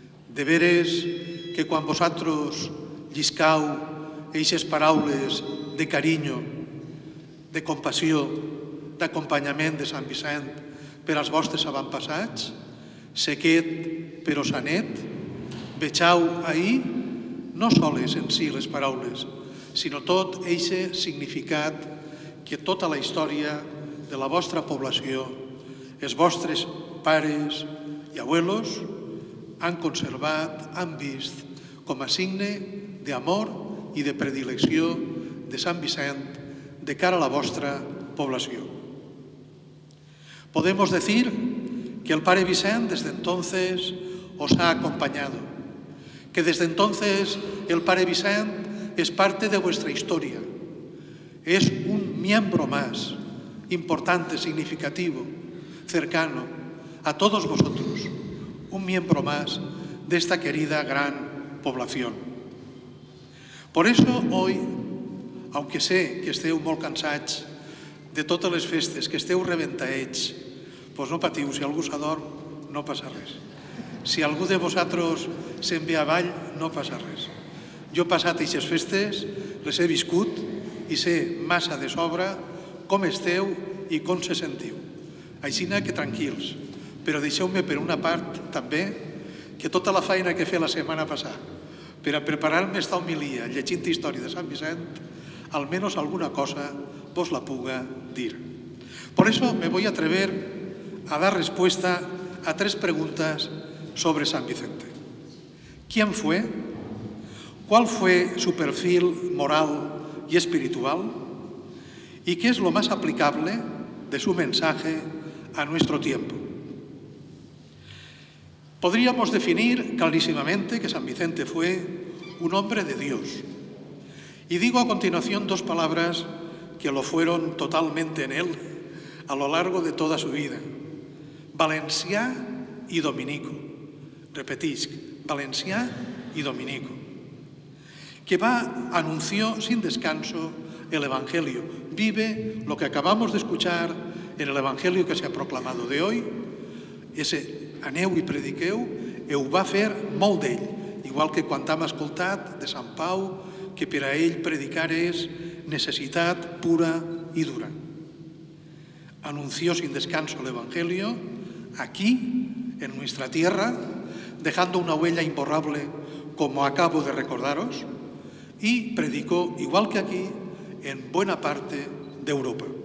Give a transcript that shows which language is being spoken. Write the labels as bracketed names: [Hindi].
[Catalan] De veres que quan vosaltres lliscau eixes paraules de carinyo, de compassió, d'acompanyament de Sant Vicent per als vostres avantpassats, sequet però sanet, veixau ahir no soles en si les paraules, sinó tot eixe significat que tota la història de la vostra població, els vostres pares i abuelos han conservat, han vist com a signe d'amor i de predilecció de Sant Vicent de cara a la vostra població. [Spanish] Podemos decir que el pare Vicent desde entonces os ha acompañado, que desde entonces el pare Vicent es parte de vuestra historia, es un miembro más importante, significativo, cercano a todos vosotros, un miembro más de esta querida gran población. Por eso hoy, aunque sé que [Catalan] esteu molt cansats de totes les festes, que esteu rebentaets, pues no patiu, si algú s'adorm, no passa res. Si algú de vosaltres se'n ve avall, no passa res. Jo he passat aquestes festes, les he viscut i sé massa de sobra com esteu i com se sentiu. Aixina que tranquils, però deixeu-me per una part també que tota la feina que he fet la setmana passada per a preparar-me esta homilia llegint història de Sant Vicent, almenys alguna cosa vos la puga dir. [Spanish] Por eso me voy a atrever a dar respuesta a tres preguntas sobre Sant Vicente. ¿Quién fue? ¿Cuál fue su perfil moral y espiritual? ¿Y qué es lo más aplicable de su mensaje a nuestro tiempo? Podríamos definir clarísimamente que San Vicente fue un hombre de Dios. Y digo a continuación dos palabras que lo fueron totalmente en él a lo largo de toda su vida: valencià y dominico. [Catalan] Repetisc, [Spanish] valencià y dominico. Que va, anunció sin descanso el Evangelio. Vive lo que acabamos de escuchar en el Evangelio que se ha proclamado de hoy. [Catalan] Ese aneu i prediqueu, i ho va fer molt d'ell, igual que quan hem escoltat de Sant Pau que per a ell predicar és necessitat pura i dura. [Spanish] Anunció sin descanso l'Evangelio aquí, en nuestra tierra, dejando una huella imborrable como acabo de recordaros, y predicó igual que aquí en buena parte de Europa.